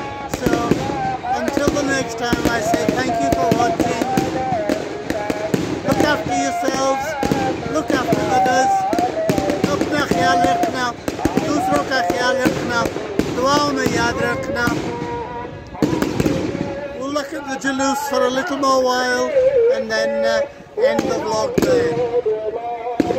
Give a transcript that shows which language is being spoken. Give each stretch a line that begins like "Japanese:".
English: time I say thank you for watching. Look after yourselves, look after others.
Urdu: اپنا خیال رکھنا دوسروں کا خیال رکھنا دعاؤں میں یاد رکھنا.
English: We'll look at the Jalous for a little more while and then end the vlog there.